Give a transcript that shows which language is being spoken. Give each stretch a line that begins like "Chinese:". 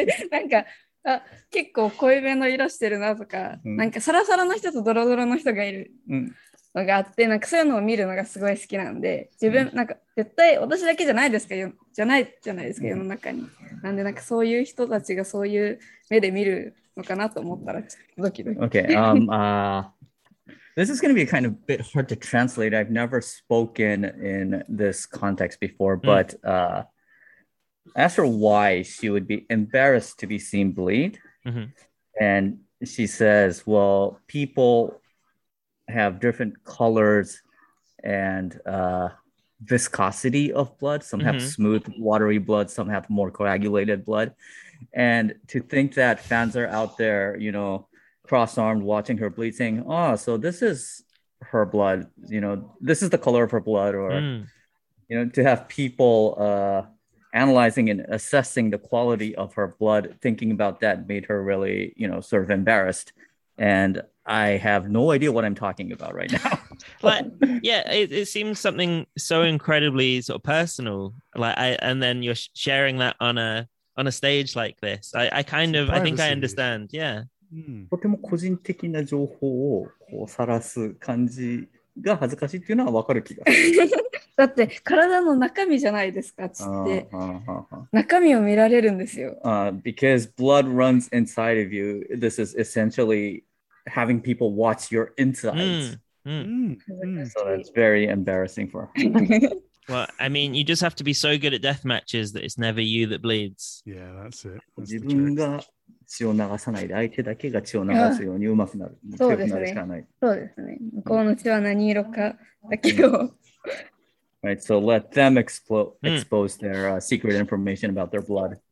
Japanese: なんか、あ、結構濃いめの色してるなとか、なんかサラサラの人とドロドロの人がいるのがあって、なんかそういうのを見るのがすごい好きなんで、自分、なんか絶対私だけじゃないですか、じゃないですか、世の中に。なんで、なんかそういう人たちがそういう目で見るのかなと思ったら、ちょっとドキドキ。
English: Okay, This is going to be kind of a bit hard to translate. I've never spoken in this context before, but as for why she would be embarrassed to be seen bleed, and she says, well, people have different colors and viscosity of blood. Some have smooth, watery blood. Some have more coagulated blood. And to think that fans are out there, you know, cross-armed watching her bleed saying, oh, so this is her blood, you know, this is the color of her blood, or you know, to have people analyzing and assessing the quality of her blood, thinking about that made her really, you know, sort of embarrassed. And I have no idea what I'm talking about right now. But yeah, it seems something so incredibly sort of personal, like and then you're sharing that on a stage like this. I think I understand. Yeah.
Japanese: とても個人的な情報をこう晒す感じが恥ずかしいっていうのは分かる気がするだって体の中身じゃないですかって中身を見られるんですよ
English: Because blood runs inside of you This is essentially having people watch your insides So that's very embarrassing for her Well, I mean, you just have to be so good at death matches that it's never you that bleeds. Yeah, that's it. That's
Japanese: 自分が血を流さないで相手だけが血を流すようにうまくなる。そうですね。向こうの血は何色かだけを。
English: Right, so let them expose their secret information about their blood.